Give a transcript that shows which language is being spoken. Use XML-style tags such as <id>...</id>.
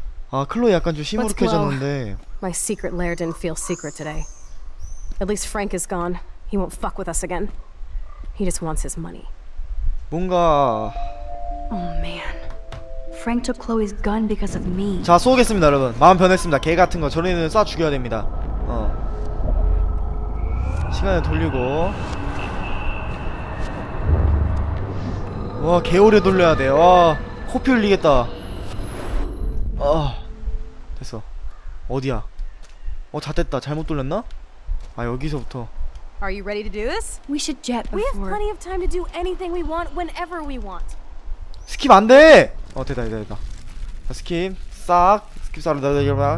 <ko>아 클로이 약간 좀 시무룩해졌는데.</ko> <en>My secret lair didn't feel secret today. At least Frank is gone. He won't fuck with us again. He just wants his money.</en> <ko>뭔가.</ko> <en>Oh man. Frank took Chloe's gun because of me.</en> <ko>자 쏘겠습니다, 여러분. 마음 변했습니다. 개 같은 거 저리는 쏴 죽여야 됩니다. 시간을 돌리고. 와 개 오래 돌려야 돼. 와 코피 흘리겠다. 아 됐어. 어디야? 어 잣됐다. 잘못 돌렸나? 아 여기서부터.</ko> <en>Are you ready to do this? We should jet before. We have plenty of time to do anything we want whenever we want.</en> <ko>스킵 안 돼. 어 됐다. 자, 스킵 싹 스킵 사로 나가자.</ko>